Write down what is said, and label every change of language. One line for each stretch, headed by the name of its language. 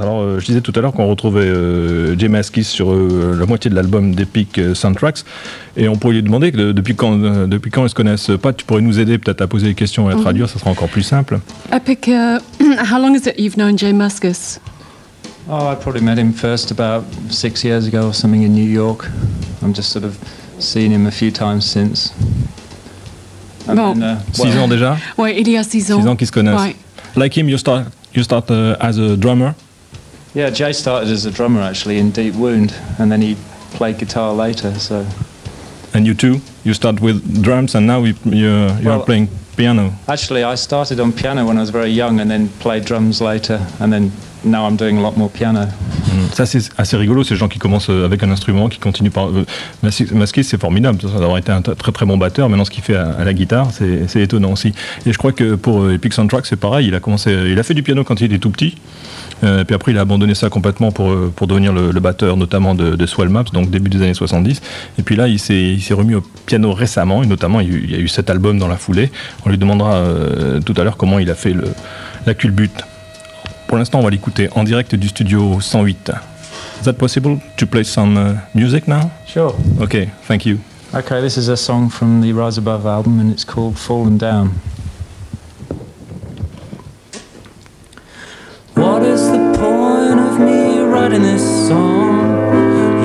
French: Alors, je disais tout à l'heure qu'on retrouvait Jim Askis sur la moitié de l'album d'Epic Soundtracks, et on pourrait lui demander depuis quand ils se connaissent pas. Tu pourrais nous aider peut-être à poser des questions et à traduire, ça sera encore plus simple.
English: Epic, how long is it you've known Jim Askis? Oh, I probably met him first about 6 years ago or something in New York. I've just sort of seen him a few times since.
French: Six ans déjà. Ouais, il y a 6 ans. 6 ans qu'ils se connaissent.
English: Right. Like him, you start as a drummer. Yeah, Jay started as a drummer actually in Deep Wound, and then he played guitar later. So. And you too? You start with drums, and now you are playing piano. Actually, I started on piano when I was very young, and then played drums later, and then now I'm doing a lot more piano.
French: Ça c'est assez rigolo, ces gens qui commencent avec un instrument, qui continuent par. Maskis, c'est formidable d'avoir été un très très bon batteur. Maintenant, ce qu'il fait à la guitare, c'est étonnant aussi. Et je crois que pour Epic Soundtrack, c'est pareil. Il a fait du piano quand il était tout petit. Puis après, il a abandonné ça complètement pour devenir le batteur, notamment de Swell Maps, donc début des années 70. Et puis là, il s'est remis au piano récemment, et notamment, il y a eu cet album dans la foulée. On lui demandera tout à l'heure comment il a fait la culbute. Pour l'instant, on va l'écouter en direct du studio 108.
English: Is that possible to play some music now? Sure. Okay, thank you. Okay, this is a song from the Rise Above album, and it's called Fallen Down. What is the point of me writing this song?